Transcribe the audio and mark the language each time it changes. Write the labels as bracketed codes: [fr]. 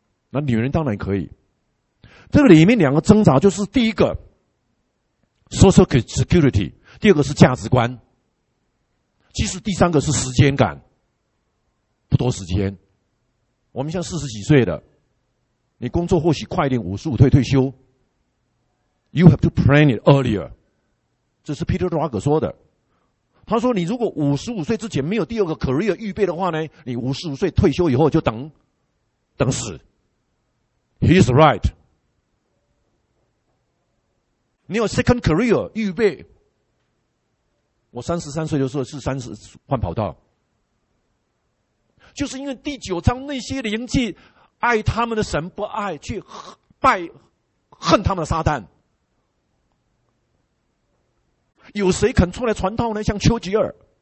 [zh] 那女人当然可以。这个里面两个挣扎，就是第一个 social security， 第二个是价值观。其实第三个是时间感，不多时间。我们像四十几岁的，你工作或许快一点，55岁退休。 [en] You have to plan it earlier， [zh] 这是 Peter Drucker 说的。他说你如果55岁之前没有第二个 career 预备的话呢，你55岁退休以后就等死。 [en] He's right， [zh] 你有 second career 预备。我33岁的时候是30换跑道，就是因为第九章那些灵界爱他们的神不爱，去拜恨他们的撒旦。有谁肯出来传道呢？像丘吉尔。